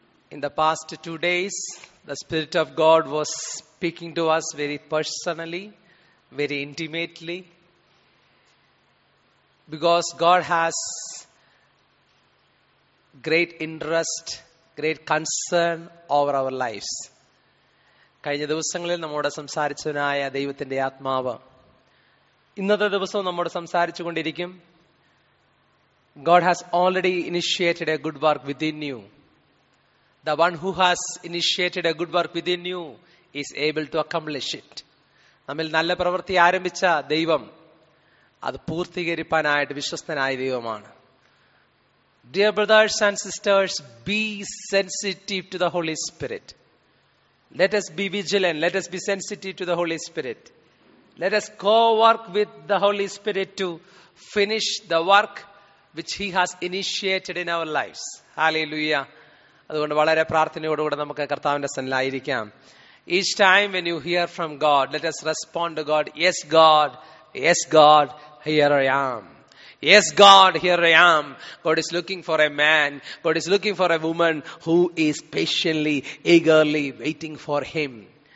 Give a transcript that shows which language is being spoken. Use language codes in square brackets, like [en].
[en] In the past 2 days, the Spirit of God was speaking to us very personally, very intimately, because God has great interest, great concern over our lives. [ml] കഴിഞ്ഞ ദിവസങ്ങളിൽ നമ്മോട് സംസാരിച്ചവനായ ദൈവത്തിൻ്റെ ആത്മാവ് ഇന്നത്തെ ദിവസവും നമ്മോട് സംസാരിച്ചു കൊണ്ടിരിക്കും. [en] God has already initiated a good work within you. The one who has initiated a good work within you is able to accomplish it. [ml] നമ്മിൽ നല്ല പ്രവൃത്തി ആരംഭിച്ച ദൈവം അത് പൂർത്തീകരിപ്പാനായിട്ട് വിശ്വസ്തനായ ദൈവമാണ്. [en] Dear brothers and sisters, be sensitive to the Holy Spirit. Let us be vigilant. Let us be sensitive to the Holy Spirit. Let us co-work with the Holy Spirit to finish the work which He has initiated in our lives. Hallelujah. [ml] അതുകൊണ്ട് വളരെ പ്രാർത്ഥനയോടുകൂടെ നമുക്ക് കർത്താവിന്റെ സന്നിധിയിലായിരിക്കാം. [en] Each time when you hear from God, let us respond to God. Yes, God. Yes, God. Here I am. Yes, God, here I am. God is looking for a man. God is looking for a woman who is patiently, eagerly waiting for Him.